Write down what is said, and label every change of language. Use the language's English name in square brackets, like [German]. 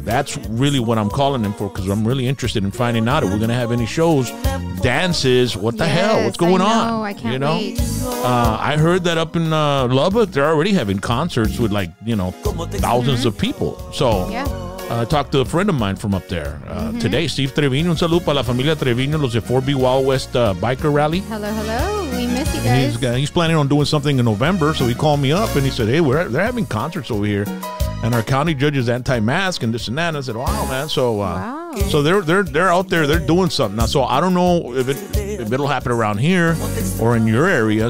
[English] That's really what I'm calling him for, because I'm really interested in finding out if we're going to have any shows, dances, what the hell, what's going on? I can't wait. I heard that up in Lubbock, they're already having concerts with thousands of people. So I talked to a friend of mine from up there today, Steve Trevino. [Spanish] Un saludo para la familia Trevino, los de 4B Wild West Biker Rally. [English] Hello. We miss you guys. He's planning on doing something in November, so he called me up and he said, hey, they're having concerts over here, and our county judge is anti-mask and this and that. And I said, wow, man. So so they're out there. They're doing something. Now, so I don't know if it'll happen around here or in your area.